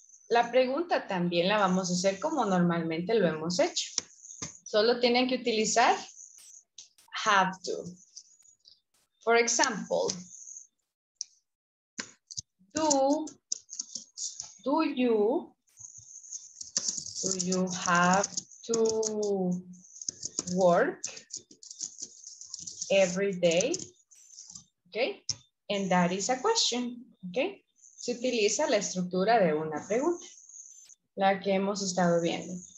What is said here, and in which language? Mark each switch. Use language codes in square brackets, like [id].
[es] La pregunta también la vamos a hacer como normalmente lo hemos hecho. Solo tienen que utilizar have to. [en] For example, do you have to work every day? Okay, and that is a question, okay? [es] Se utiliza la estructura de una pregunta, la que hemos estado viendo.